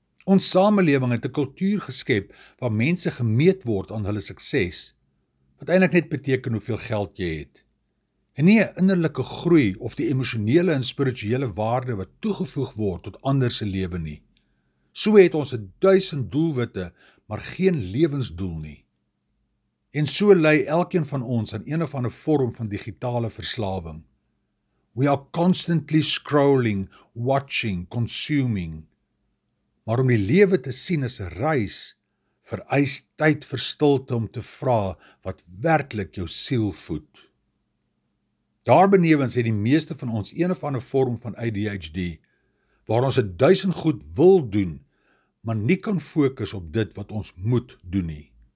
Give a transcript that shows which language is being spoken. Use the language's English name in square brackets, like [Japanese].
[Afrikaans] Ons samelewing het 'n kultuur geskep waar mense gemeet word aan hulle sukses, wat eintlik net beteken hoeveel geld jy het. En nie 'n innerlike groei of die emosionele en spirituele waarde wat toegevoeg word tot ander se lewe nie. So het ons 1000 doelwitte, maar geen lewensdoel nie. En so lei elkeen van ons aan een of ander vorm van digitale verslawing. [English] We are constantly scrolling, watching, consuming. [Afrikaans] Maar om die lewe te sien as 'n reis, vereis tyd vir stilte om te vra wat werklik jou siel voed. Daarbenewens het die meeste van ons een of ander vorm van ADHD, waar ons 1000 goed wil doen, maar nie kan fokus op dit wat ons moet doen nie.